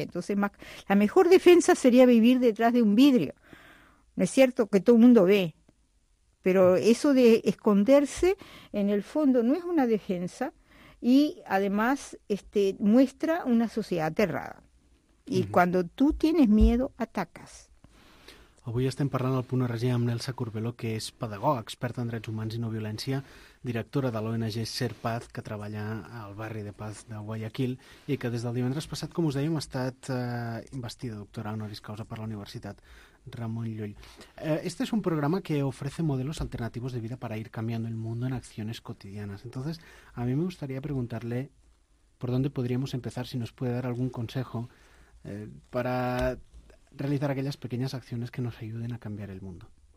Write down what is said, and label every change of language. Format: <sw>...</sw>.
<es>Entonces, la mejor defensa sería vivir detrás de un vidrio. ¿No es cierto? Que todo el mundo ve. Pero eso de esconderse, en el fondo, no es una defensa. Y además, muestra una sociedad aterrada. Y uh-huh. Cuando tú tienes miedo, atacas.</es> <ca>Avui estem parlant al Punt RG amb Nelsa Corbeló, que és pedagoga, experta en drets humans i no violència, directora de l'ONG Serpaz, que treballa al barri de Paz de Guayaquil i que des del divendres passat, com us dèiem, ha estat investida doctora honoris causa per la Universitat Ramon Llull.</ca> <es>Este es un programa que ofrece modelos alternativos de vida para ir cambiando el mundo en acciones cotidianas. Entonces, a mí me gustaría preguntarle por dónde podríamos empezar, si nos puede dar algún consejo para realizar aquellas pequeñas acciones que nos ayuden a cambiar el mundo.</es>